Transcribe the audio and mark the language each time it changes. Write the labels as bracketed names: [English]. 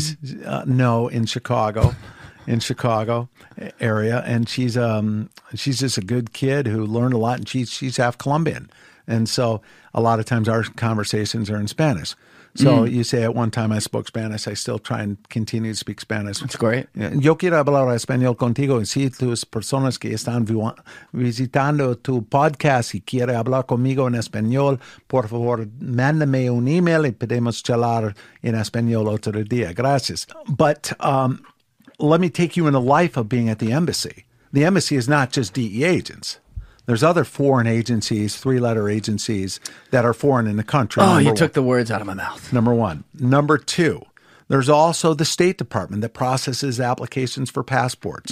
[English] She's, no, in Chicago, in Chicago area. And she's just a good kid who learned a lot. And she's half Colombian. And so a lot of times our conversations are in Spanish. So you say at one time I spoke Spanish, I still try and continue to speak Spanish. That's great. [Spanish] Yo quiero hablar español contigo y si tus personas que están visitando tu podcast y quiere hablar conmigo en español, por favor, mándame un email y podemos charlar en español otro día. Gracias. [English] But let me take you in the life of being at the embassy. The embassy is not just DEA agents. There's other foreign agencies, three-letter agencies, that are foreign in the country. Oh, you took the words out of my mouth. Number one. Number two, there's also the State Department that processes applications for passports.